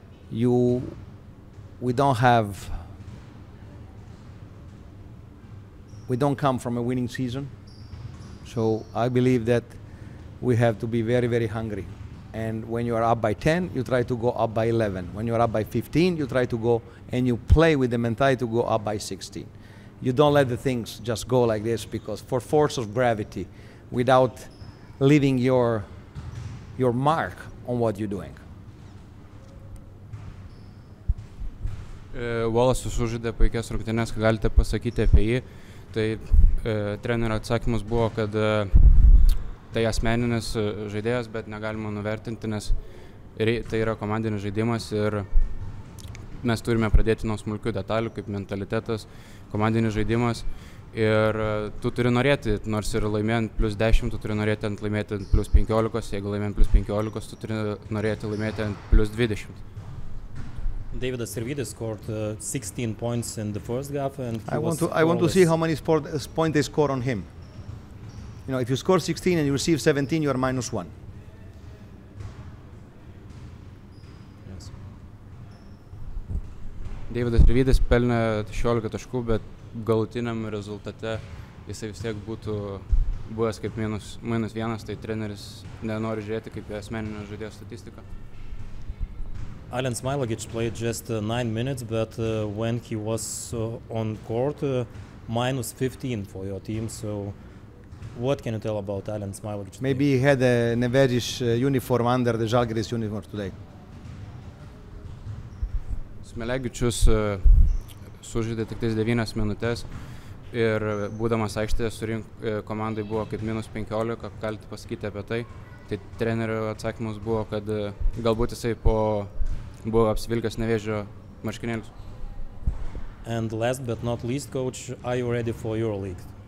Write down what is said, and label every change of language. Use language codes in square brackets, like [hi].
[en] we don't come from a winning season, so I believe that we have to be very, very hungry, and when you are up by 10 you try to go up by 11, when you are up by 15 you try to go and you play with the mentality to go up by 16. You don't let the things just go like this, because for force of gravity, without leaving your mark on what you're doing. [lt] Wallace sužaidė puikias rungtynes, ką galite pasakyti apie jį. Tai trenerio atsakymas buvo, kad tai asmeninis žaidėjas, bet negalima nuvertinti, nes tai yra komandinis žaidimas ir mes turime pradėti nuo smulkių detalių, kaip mentalitetas, komandinis žaidimas. Ir tu turi norėti, nors ir laimėjant plus 10, tu turi norėti ant laimėti ant plus 15, jeigu laimėjant plus 15, tu turi norėti laimėti ant plus 20. [en] Davidas Sirvidis scored 16 points in the first half and I want to see how many points they score on him. You know, if you score 16 and you receive 17, you are minus 1. Yes. [lt] Davidas Sirvidis pelnė 16 taškų, bet galutiniam rezultate jisai vis tiek būtų buvęs kaip minus vienas, tai treneris nenori žiūrėti kaip asmeninio žaidėjo statistiką. [en] Alen Smailagic played just 9 minutes, but when he was on court, minus 15 for your team, so what can you tell about Alen Smailagic today? Maybe he had a Nevedish uniform under the Žalgiris uniform today. [lt] Smailagicius sužaidė tik 9 minutes ir būdamas aikštėje komandai buvo kaip minus 15, galite pasakyti apie tai. Tai trenerio atsakymas buvo, kad galbūt jisai buvo apsivilkęs Nevėžio marškinėlius. [en] And last but not least, coach, are you ready for EuroLeague?